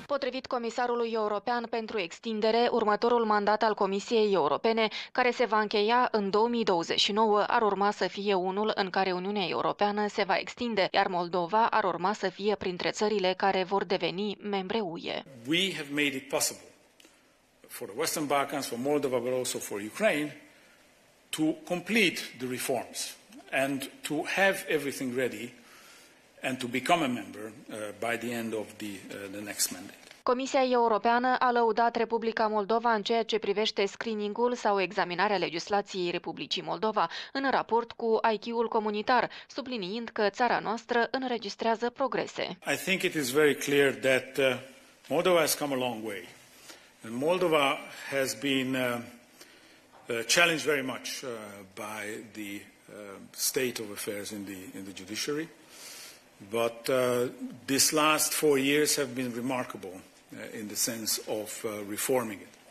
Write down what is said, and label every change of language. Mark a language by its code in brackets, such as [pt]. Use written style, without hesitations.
[ro] Potrivit Comisarului European pentru Extindere, următorul mandat al Comisiei Europene, care se va încheia în 2029, ar urma să fie unul în care Uniunea Europeană se va extinde, iar Moldova ar urma să fie printre țările care vor deveni membre UE. [en] We have made it possible for the Western Balkans, for Moldova, but also for Ukraine, to complete the reforms and to have everything ready and to become a member by the end of the next mandate. [ro] Comisia Europeană a lăudat Republica Moldova în ceea ce privește screening-ul sau examinarea legislației Republicii Moldova în raport cu IQ-ul comunitar, subliniind că țara noastră înregistrează progrese. [en] I think it is very clear that Moldova has come a long way. And Moldova has been challenged very much by the state of affairs in the judiciary, but these last 4 years have been remarkable in the sense of reforming it.